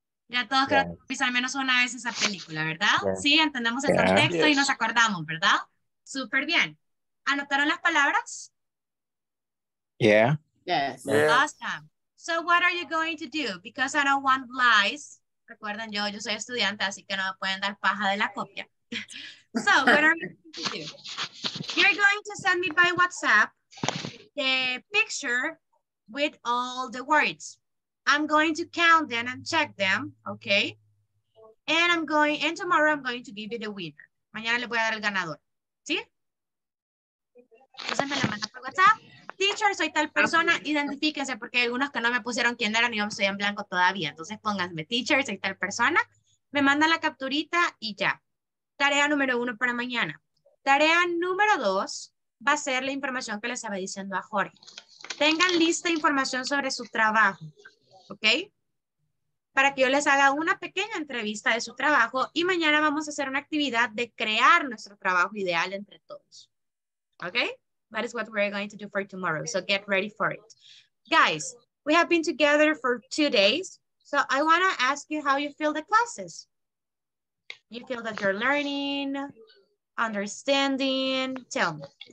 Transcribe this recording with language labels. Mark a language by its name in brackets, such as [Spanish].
[Spanish] Ya todos creo que pisamos al menos una vez esa película, ¿verdad? Yeah. Sí, entendemos el contexto y nos acordamos, ¿verdad? Súper bien. ¿Anotaron las palabras? [English] Yeah. Yes. Yeah. Awesome. So what are you going to do? Because I don't want lies. [Spanish] Recuerden, yo soy estudiante, así que no me pueden dar paja de la copia. [English] So what are you going to do? You're going to send me by WhatsApp the picture with all the words. I'm going to count them and check them, okay? And I'm going, and tomorrow I'm going to give you the winner. [Spanish] Mañana le voy a dar el ganador, ¿sí? Entonces me la mandan por WhatsApp. Teacher, soy tal persona, identifíquense, porque hay algunos que no me pusieron quién eran y yo estoy en blanco todavía. Entonces pónganme, teacher, soy tal persona. Me mandan la capturita y ya. Tarea número uno para mañana. Tarea número dos va a ser la información que les estaba diciendo a Jorge. Tengan lista información sobre su trabajo. ¿Ok? Para que yo les haga una pequeña entrevista de su trabajo y mañana vamos a hacer una actividad de crear nuestro trabajo ideal entre todos. ¿Ok? [English] That is what we're going to do for tomorrow. So get ready for it. Guys, we have been together for 2 days. So I want to ask you how you feel the classes. You feel that you're learning, understanding. Tell me.